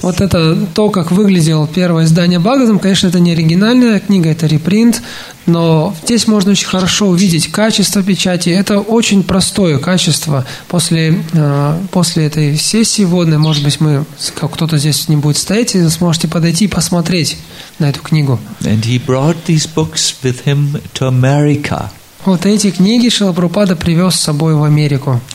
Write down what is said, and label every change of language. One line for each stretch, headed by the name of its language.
Russian: Вот это то, как выглядело первое издание Бхагаватам. Конечно, это не оригинальная книга, это репринт, но здесь можно очень хорошо увидеть качество печати. Это очень простое качество. После этой сессии вводной, может быть, мы, как кто-то здесь не будет стоять, и вы сможете подойти и посмотреть на эту книгу.
English: And he brought these books with him to America.
Russian: Вот эти книги Шрила Прабхупада привез с собой в Америку.